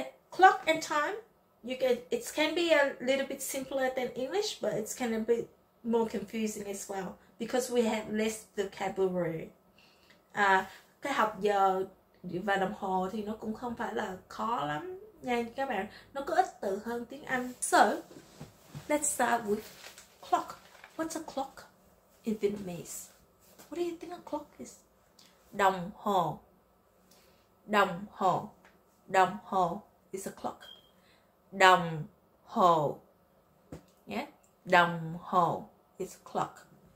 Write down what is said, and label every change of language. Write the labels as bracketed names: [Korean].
[English] Clock and time, it can be a little bit simpler than English, but it's kind of a bit more confusing as well because we have less vocabulary. [Vietnamese] Cái học giờ và đồng hồ thì nó cũng không phải là khó lắm nha các bạn. Nó có ít từ hơn tiếng Anh. [English] So, let's start with clock. What's a clock in Vietnamese? What do you think a clock is? [Vietnamese] Đồng hồ. Đồng hồ. Đồng hồ. [English] It's a clock. [Vietnamese] Đồng hồ. [English] Yeah? [Vietnamese] Đồng hồ. [English] It's a clock.